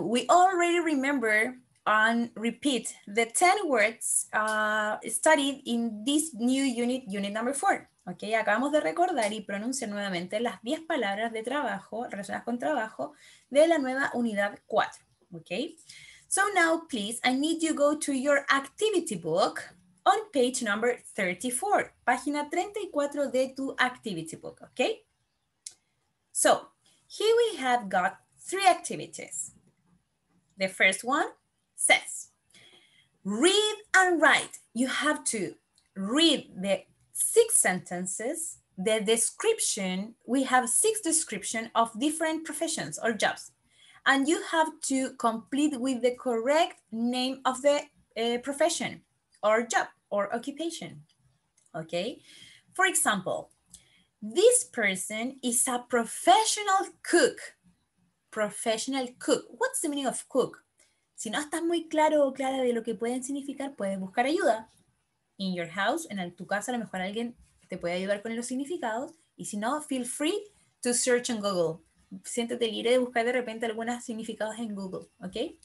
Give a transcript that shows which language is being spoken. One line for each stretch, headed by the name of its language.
English: We already remember and repeat the 10 words studied in this new unit, unit number 4.
Spanish: Okay, acabamos de recordar y pronunciar nuevamente las 10 palabras de trabajo, relacionadas con trabajo, de la nueva unidad 4.
English: Okay, so now please, I need you go to your activity book on page number 34.
Spanish: Página 34 de tu
English: activity book, okay? So, here we have got 3 activities. The first one says, read and write. You have to read the 6 sentences, the description. We have 6 descriptions of different professions or jobs. And you have to complete with the correct name of the profession or job or occupation. Okay. For example, this person is a professional cook. Professional cook. What's the meaning of cook?
Spanish: Si no estás muy claro o clara de lo que pueden significar, puedes buscar ayuda.
English: In your house,
Spanish: en tu casa, a lo mejor alguien te puede ayudar con los significados. Y si no,
English: feel free to search on Google.
Spanish: Siéntete libre de buscar de repente algunos significados en Google, ¿ok?